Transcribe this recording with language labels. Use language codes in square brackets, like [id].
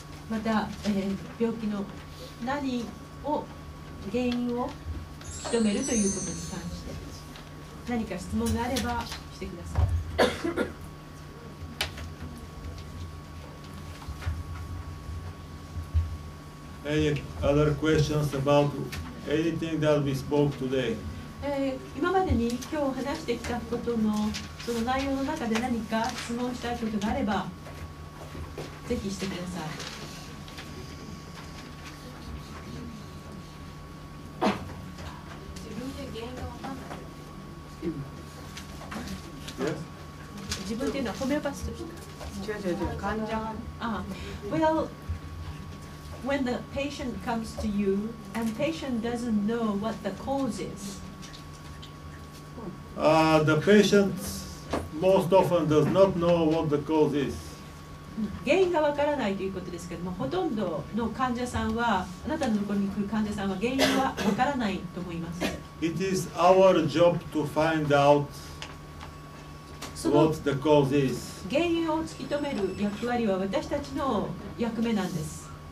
[ja] また、病気の何を原因を認めるということに関して何か質問があればしてください。 [en] Any other questions about anything that we spoke today? [ja] 今までに今日話してきたことのその内容の中で何か質問したいことがあればぜひしてください。自分で原因が分かんない、うん、自分っていうのはホメオパスとして違う患者 [en] が、Well, when the patient comes to you and the patient doesn't know what the cause is The patient most often does not know what the cause is. [ja] 原因がわからないということですけども、ほとんどの患者さんは、あなたのところに来る患者さんは原因はわからないと思います。 [en] It is our job to find out what the cause is. [ja] 原因を突き止める役割は私たちの役目なんです。